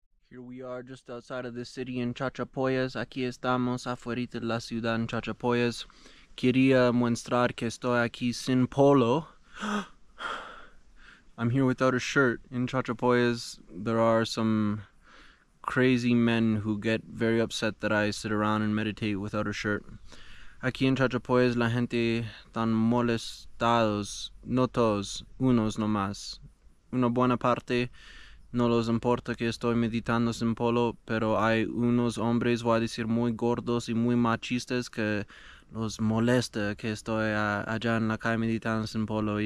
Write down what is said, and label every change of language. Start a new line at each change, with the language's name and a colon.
English: Here we are just outside of the city in Chachapoyas.
Spanish: Aquí estamos afuera de la ciudad en Chachapoyas. Quería mostrar que estoy aquí sin polo.
English: I'm here without a shirt. In Chachapoyas, there are some crazy men who get very upset that I sit around and meditate without a shirt.
Spanish: Aquí en Chachapoyas, la gente tan molestados, no todos, unos nomás. Una buena parte. No les importa que estoy meditando sin polo, pero hay unos hombres, voy a decir, muy gordos y muy machistas que los molesta que estoy allá en la calle meditando sin polo.